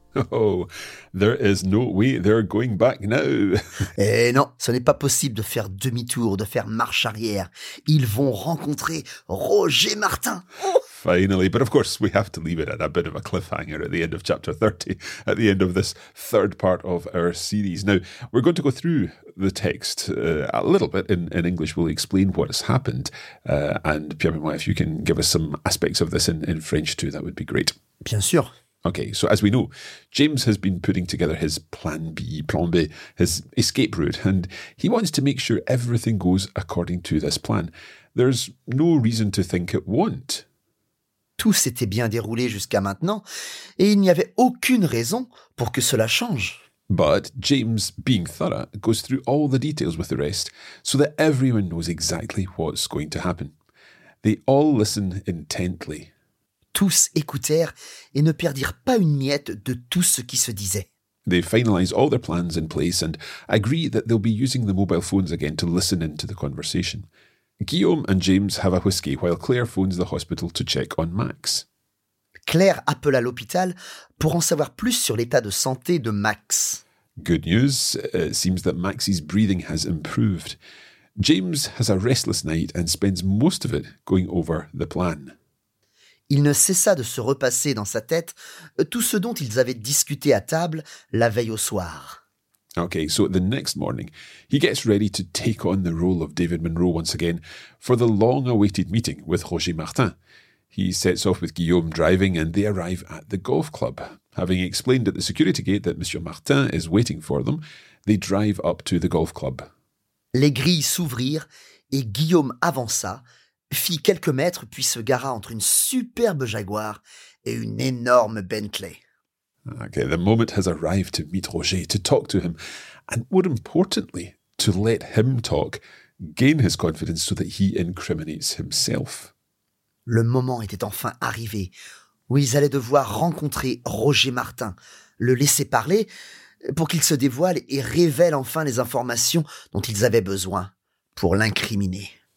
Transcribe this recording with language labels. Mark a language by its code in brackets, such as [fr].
[en] Oh, there is no way they're going back now. [fr] Eh non, ce n'est pas possible de faire demi-tour, de faire marche arrière. Ils vont rencontrer Roger Martin. [en] Finally, but of course we have to leave it at a bit of a cliffhanger at the end of chapter 30, at the end of this third part of our series. Now, we're going to go through the text a little bit in English. We'll explain what has happened. And Pierre-Benoît, if you can give us some aspects of this in French too, that would be great. [fr] Bien sûr. [en] Okay, so as we know, James has been putting together his plan B, his escape route, and he wants to make sure everything goes according to this plan. There's no reason to think it won't. [fr] Tout s'était bien déroulé jusqu'à maintenant, et il n'y avait aucune raison pour que cela change. [en] But James, being thorough, goes through all the details with the rest, so that everyone knows exactly what's going to happen. They all listen intently. [fr] Tous écoutèrent et ne perdirent pas une miette de tout ce qui se disait. [en] They finalize all their plans in place and agree that they'll be using the mobile phones again to listen into the conversation. Guillaume and James have a whiskey while Claire phones the hospital to check on Max. [fr] Claire appelle à l'hôpital pour en savoir plus sur l'état de santé de Max. [en] Good news, it seems that Max's breathing has improved. James has a restless night and spends most of it going over the plan. [fr] Il ne cessa de se repasser dans sa tête tout ce dont ils avaient discuté à table la veille au soir. [en] Okay, so the next morning, he gets ready to take on the role of David Monroe once again for the long-awaited meeting with Roger Martin. He sets off with Guillaume driving and they arrive at the golf club. Having explained at the security gate that Monsieur Martin is waiting for them, they drive up to the golf club. [fr] Les grilles s'ouvrirent et Guillaume avança, fit quelques mètres, puis se gara entre une superbe Jaguar et une énorme Bentley. [en] Okay, the moment has arrived to meet Roger, to talk to him, and more importantly, to let him talk, gain his confidence so that he incriminates himself. [fr] Le moment était enfin arrivé, où ils allaient devoir rencontrer Roger Martin, le laisser parler, pour qu'il se dévoile et révèle enfin les informations dont ils avaient besoin pour l'incriminer.